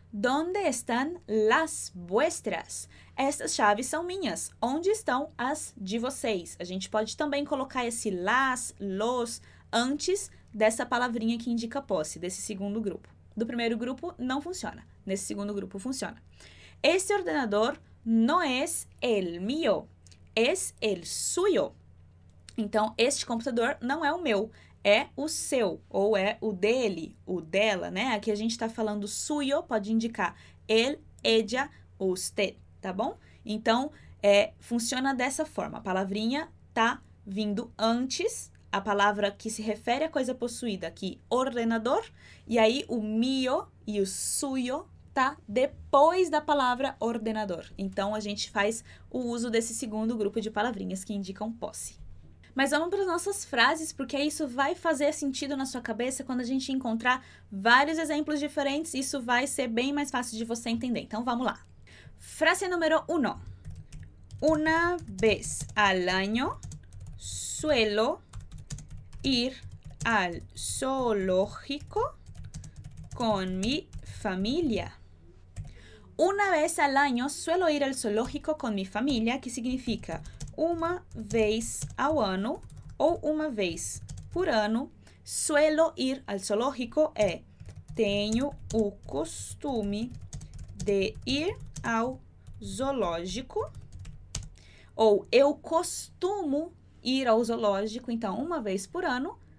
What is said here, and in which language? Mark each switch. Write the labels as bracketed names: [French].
[Spanish] ¿Dónde están las vuestras? [Portuguese] Estas chaves são minhas. Onde estão as de vocês? A gente pode também colocar esse las, los, antes dessa palavrinha que indica posse, desse segundo grupo. Do primeiro grupo, não funciona. Nesse segundo grupo, funciona. [Spanish] Este ordenador no es el mío. Es el suyo. [Portuguese] Então, este computador não é o meu. É o seu, ou é o dele, o dela, né? Aqui a gente tá falando suyo, pode indicar él, ella, usted, tá bom? Então, funciona dessa forma. A palavrinha tá vindo antes, a palavra que se refere à coisa possuída aqui, ordenador, e aí o mio e o suyo tá depois da palavra ordenador. Então, a gente faz o uso desse segundo grupo de palavrinhas que indicam posse. Mas vamos para as nossas frases, porque isso vai fazer sentido na sua cabeça quando a gente encontrar vários exemplos diferentes. Isso vai ser bem mais fácil de você entender. Então, vamos lá. Frase número 1. [Spanish] Una vez al año suelo ir al zoológico con mi familia. Una vez al año suelo ir al zoológico con mi familia, [Portuguese] que significa... Uma vez ao ano, ou uma vez por ano, [Spanish] suelo ir al zoológico [Portuguese] é tenho o costume de ir ao zoológico, ou eu costumo ir ao zoológico, então uma vez por ano,